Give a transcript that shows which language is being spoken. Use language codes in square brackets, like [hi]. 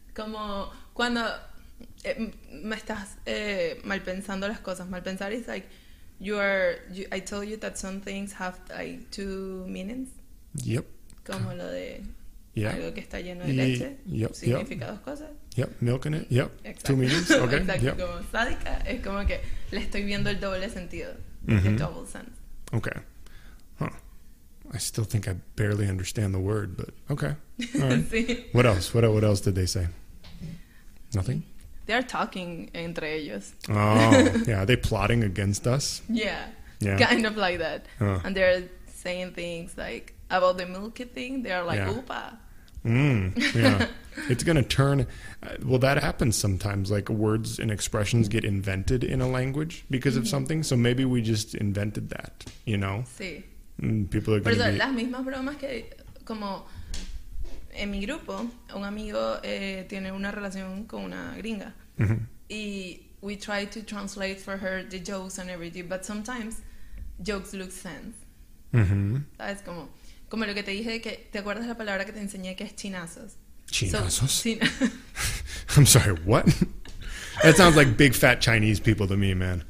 [es] Como cuando me estás mal pensando las cosas. Mal pensar es [en] like, I told you that some things have like two meanings. Yep. [es] Como lo de... Yeah. Algo que está lleno de leche. Significa dos cosas. [en] Yep, milk in it. Yep. [es] Exacto. [en] 2 minutes. Okay. [es] Exacto. [en] Yep. [es] Como sádica es como que le estoy viendo el doble sentido. [en] Mm-hmm. The double sense. Okay. Huh. I still think I barely understand the word, but okay. All right. [es] Sí. [en] What else? What else did they say? Nothing? They are talking [es] entre ellos. [en] Oh, yeah. Are they plotting against us? Yeah. Kind of like that. And they're saying things like about the milky thing. They are like, upa. Yeah. It's going to turn... Well, that happens sometimes. Like, words and expressions get invented in a language because of something. So maybe we just invented that, you know? [es] Sí. [en] People are going to be... [es] Las mismas bromas que... Como... En mi grupo, un amigo tiene una relación con una gringa. Mm-hmm. [en] Y we try to translate for her the jokes and everything. But sometimes, jokes look sense. Mm-hmm. [es] ¿Sabes? Como... Como lo que te dije, que te acuerdas la palabra que te enseñé que es chinazos. ¿Chinazos? [en] So, I'm sorry, what? That sounds like big fat Chinese people to me, man.